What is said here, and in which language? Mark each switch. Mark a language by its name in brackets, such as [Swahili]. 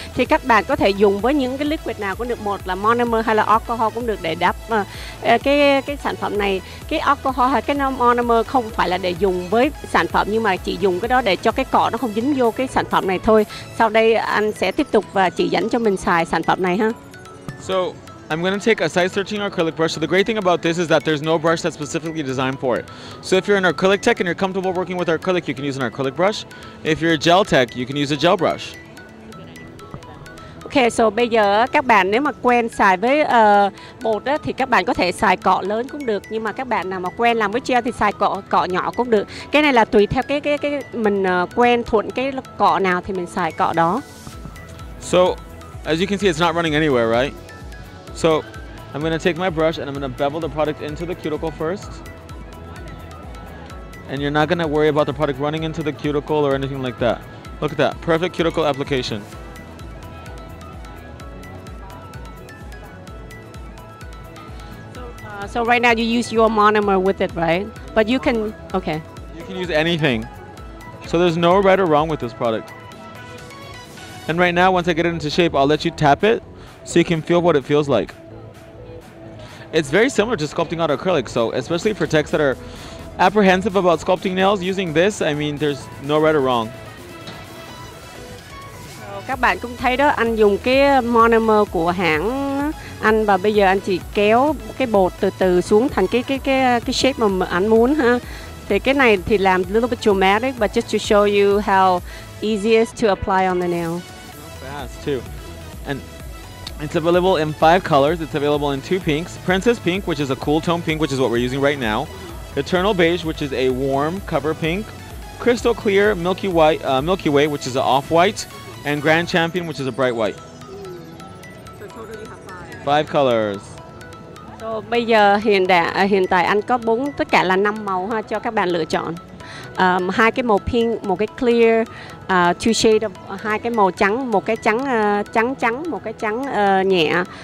[Vietnamese] Thì các bạn có thể dùng với những cái liquid nào cũng được, một là monomer hay là alcohol cũng được để đắp cái sản phẩm này. Cái alcohol hay cái monomer không phải là để dùng với sản phẩm, nhưng mà chỉ dùng cái đó để cho cái cọ nó không dính vô cái sản phẩm này thôi. Sau đây anh sẽ tiếp tục và chỉ dẫn cho mình xài sản phẩm này ha. [English] So I'm going to take a size 13 acrylic brush. So the great thing about this is that there's no brush that's specifically designed for it. So if you're an acrylic tech and you're comfortable working with acrylic, you can use an acrylic brush. If you're a gel tech, you can use a gel brush. Okay, so [Vietnamese] bây giờ các bạn nếu mà quen xài với bột á, thì các bạn có thể xài cọ lớn cũng được, nhưng mà các bạn nào mà quen làm với gel thì xài cọ nhỏ cũng được. Cái này là tùy theo cái mình quen thuận cái cọ nào thì mình xài cọ đó. [English] So as you can see, it's not running anywhere, right? So I'm going to take my brush and I'm going to bevel the product into the cuticle first. And you're not going to worry about the product running into the cuticle or anything like that. Look at that, perfect cuticle application. So right now you use your monomer with it, right? But you can, okay. You can use anything. So there's no right or wrong with this product. And right now, once I get it into shape, I'll let you tap it so you can feel what it feels like. It's very similar to sculpting out acrylic, so especially for techs that are apprehensive about sculpting nails, using this, I mean, there's no right or wrong. [Vietnamese] các bạn cũng thấy đó, anh dùng cái monomer của hãng anh và bây giờ anh chỉ kéo cái bột từ từ xuống thành cái shape mà anh muốn ha. Thì cái này thì làm [English] a little bit dramatic, but just to show you how easy it is to apply on the nail. Fast too. And it's available in 5 colors. It's available in 2 pinks. Princess pink, which is a cool tone pink, which is what we're using right now. Eternal beige, which is a warm cover pink. Crystal clear, milky white, Milky Way, which is an off-white. And grand champion, which is a bright white. So totally you have 5 colors. [Vietnamese] So bây giờ hiện tại anh có 4, tất cả là 5 màu ha, cho các bạn lựa chọn. Hai cái màu pink, một cái clear, [English] two shade of, [Vietnamese] hai cái màu trắng, một cái trắng trắng trắng, một cái trắng nhẹ.